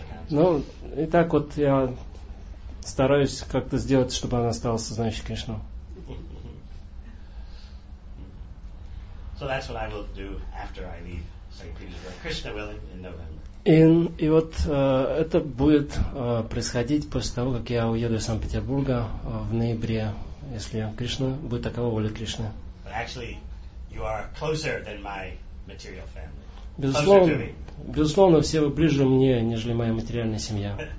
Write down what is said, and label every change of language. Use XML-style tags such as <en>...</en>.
<ru>Ну, и так вот я стараюсь как-то сделать, чтобы она стала сознающей Кришну.</ru> <en>So that's what I will do after I leave St. Petersburg, Krishna willing, in November.</en> <ru>И вот это будет происходить после того, как я уеду из Санкт-Петербурга в ноябре, если Кришна будет такова воля Кришны.</ru> <en>But actually, you are closer than my material family.</en> <ru>Безусловно, все вы ближе мне, нежели моя материальная семья.</ru>